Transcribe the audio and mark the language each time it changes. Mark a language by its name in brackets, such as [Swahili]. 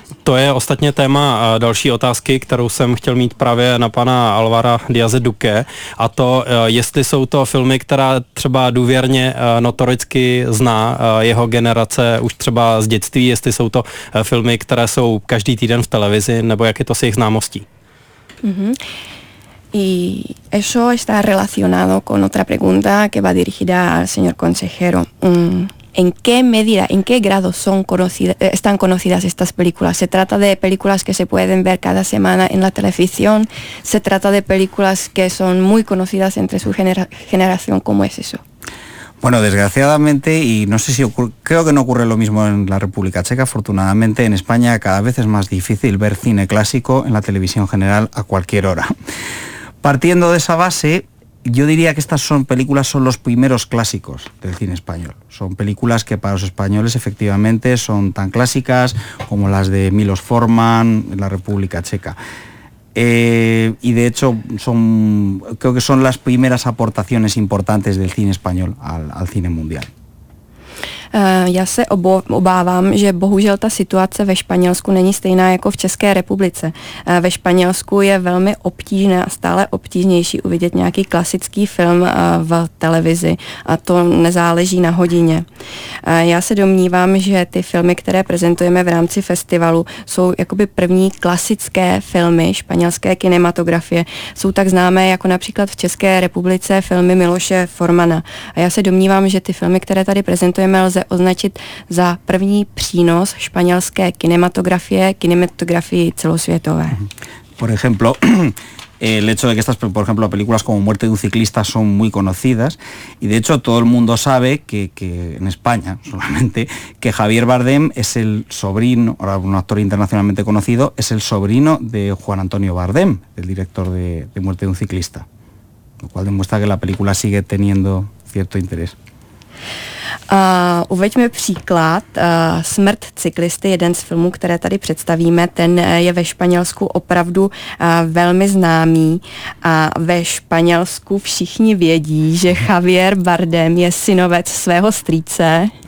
[Czech] To je ostatně téma další otázky, kterou jsem chtěl mít právě na pana Alvara Diaze Duque, a to, jestli jsou to filmy, která třeba důvěrně notoricky zná jeho generace už třeba z dětství, jestli jsou to filmy, které jsou každý týden v televizi, nebo jak je to s jejich známostí. Mm-hmm. [Spanish] Y eso está relacionado con otra pregunta que va dirigida al señor consejero. ¿En qué medida, en qué grado son conocidas, están conocidas estas películas? ¿Se trata de películas que se pueden ver cada semana en la televisión? ¿Se trata de películas que son muy conocidas entre su generación? ¿Cómo es eso? Bueno, desgraciadamente, y no sé si creo que no ocurre lo mismo en la República Checa, afortunadamente en España cada vez es más difícil ver cine clásico en la televisión general a cualquier hora. Partiendo de esa base, yo diría que estas son películas, son los primeros clásicos del cine español. Son películas que para los españoles efectivamente son tan clásicas como las de Miloš Forman en la República Checa. Y de hecho son, creo que son las primeras aportaciones importantes del cine español al cine mundial. [Czech] Já se obávám, že bohužel ta situace ve Španělsku není stejná jako v České republice. Ve Španělsku je velmi obtížné a stále obtížnější uvidět nějaký klasický film v televizi, a to nezáleží na hodině. Já se domnívám, že ty filmy, které prezentujeme v rámci festivalu, jsou jakoby první klasické filmy španělské kinematografie. Jsou tak známé jako například v České republice filmy Miloše Formana. A já se domnívám, že ty filmy, které tady prezentujeme, lze označit za první přínos španělské kinematografie, kinematografii celosvětové. [Spanish] Por ejemplo, el hecho de que estas, por ejemplo, películas como Muerte de un ciclista son muy conocidas, y de hecho todo el mundo sabe que en España solamente, que Javier Bardem es el sobrino, ahora un actor internacionalmente conocido, es el sobrino de Juan Antonio Bardem, el director de Muerte de un ciclista, lo cual demuestra que la película sigue teniendo cierto interés. [Czech] Uveď mi příklad. Smrt cyklisty, jeden z filmů, které tady představíme, ten je ve Španělsku opravdu velmi známý a ve Španělsku všichni vědí, že Javier Bardem je synovec svého strýce.